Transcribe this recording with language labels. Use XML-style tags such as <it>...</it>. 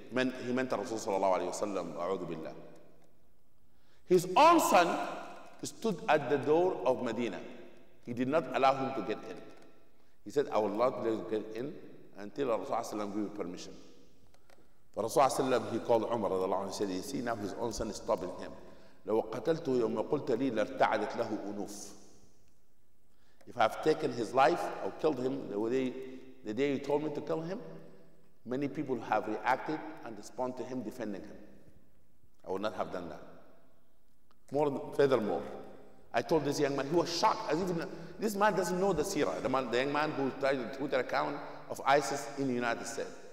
<en>He meant the Rasul sallallahu alayhi wa sallam, a'udhu billah. His own son stood at the door of Medina. He did not allow him to get in. He said, I will not let you get in until Rasul sallallahu give you permission. But Rasul sallallahu he called Umar radiallahu anhu, he said, you see, now his own son is stopping him.</en> <ar>لو قتلته يوم قلت لي لارتعدت له أنوف.</ar> <en>If I have taken his life or killed him the day you told me to kill him, many people have reacted and respond to him defending him. I would not have done that. Furthermore, I told this young man, he was shocked as if this man doesn't know the seerah, the young man who tried the Twitter account of ISIS in the United States.</en>